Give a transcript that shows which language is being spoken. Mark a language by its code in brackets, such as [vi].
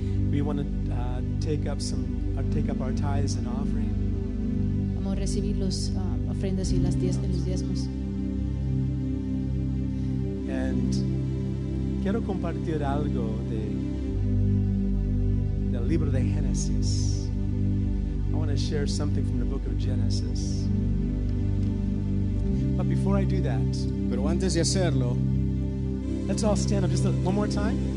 [en] We want to take up our tithes and offerings. [es] Recibir las ofrendas y las diezmas, los diezmos. And quiero compartir algo de del libro de Génesis. [en] I want to share something from the book of Genesis. But before I do that, [es] pero antes de hacerlo, [en] let's all stand up just one more time.